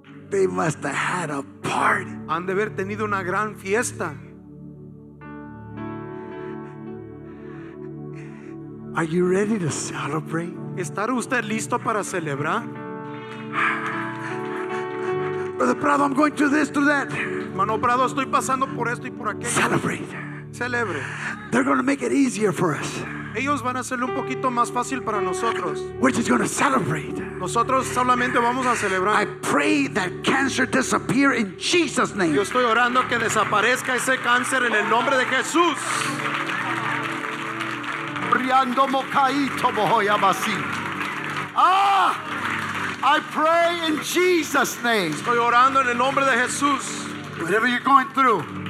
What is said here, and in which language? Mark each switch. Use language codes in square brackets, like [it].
[en] They must have had a party. [es] Han de haber tenido una gran fiesta. [en] Are you ready to celebrate? [es] ¿Estará usted listo para celebrar? [en] Brother Prado, I'm going through this, through that. [es] Mano Prado, estoy pasando por esto y por aquello. [en] Celebrate. [es] Celebre. [en] They're going to make it easier for us. [es] Ellos van a hacerlo un poquito más fácil para nosotros. [en] We're just going to celebrate. [es] Nosotros solamente vamos a celebrar. [en] I pray that cancer disappear in Jesus' name. [es] Yo estoy orando que desaparezca ese cáncer en el nombre de Jesús. Riando mocaito mojoya basi. Ah! [en] I pray in Jesus' name. [es] Estoy orando en el nombre de Jesús. [en] Whatever you're going through.